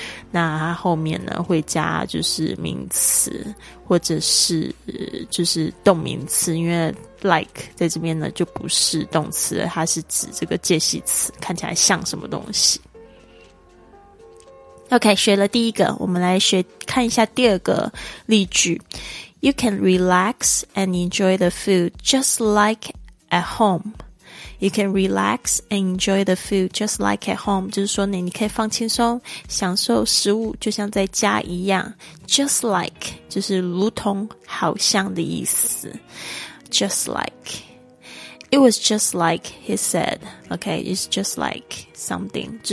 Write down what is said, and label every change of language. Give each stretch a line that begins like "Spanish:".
Chinese: 那它后面呢会加就是名词或者是就是动名词，因为 like 在这边呢就不是动词，它是指这个介系词，看起来像什么东西。 OK, 学了第一个，我们来学看一下第二个例句。
English: You can relax and enjoy the food just like at homeYou can relax and enjoy the food just like at home.
Chinese: 就是说呢，你可以放轻松，享受食物就像在家一样。
English: Just like,
Chinese: 就是如同好像的意思。
English: Just like. It was just like he said. Okay, it's just like something.